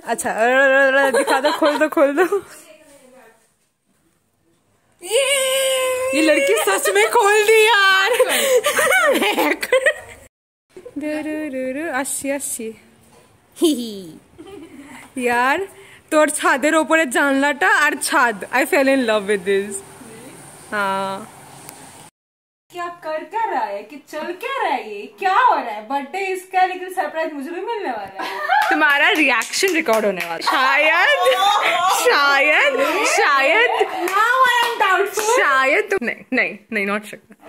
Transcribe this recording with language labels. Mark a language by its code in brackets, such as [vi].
[hi] अच्छा रा रा रा रा, दिखा दो, खोल दो, खोल दो। ये लड़की सच में खोल दी यार। [bn] यार তোর ছাদের উপরে জানলাটা আর ছাদ, [en] I fell in love with this. [hi] क्या कर क्या रहा है, कि चल क्या रहा है, क्या हो रहा है, बर्थडे इसका, लेकिन सरप्राइज मुझे भी मिलने वाला है। तुम्हारा रिएक्शन रिकॉर्ड होने वाला शायद शायद शायद [en] now I am doubtful [hi] शायद तुम नहीं नहीं नहीं [en] Not sure.